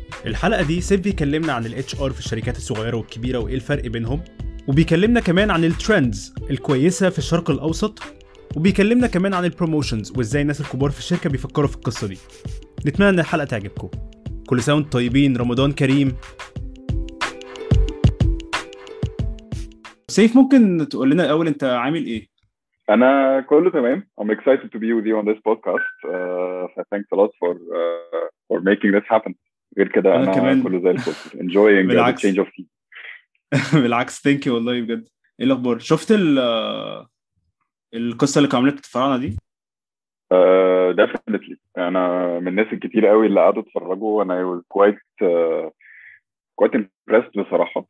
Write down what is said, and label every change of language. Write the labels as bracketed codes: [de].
[ar] الحلقه دي سيف بيكلمنا عن الاتش ار في الشركات الصغيره والكبيره وايه الفرق بينهم، وبيكلمنا كمان عن الترندز الكويسه في الشرق الاوسط، وبيكلمنا كمان عن البروموشنز وازاي الناس الكبار في الشركه بيفكروا في القصه دي. نتمنى ان الحلقه تعجبكم. كل سنه وانتم طيبين، رمضان كريم. سيف، ممكن تقول لنا الاول انت عامل ايه؟ انا كله تمام. [en] I'm excited to be with you on this podcast. Thanks a lot for making this happen. [ar] غير كده انا كمان كله زي الفل. [en] Enjoying the change of scene. [ar] بالعكس، [en] thank you [ar] والله بجد. ايه الاخبار؟ شفت القصه اللي كانوا عاملينها الفراعنه دي؟ Definitely. انا من الناس الكتير قوي اللي قعدوا اتفرجوا، وانا [en] I was quite impressed [ar] بصراحة.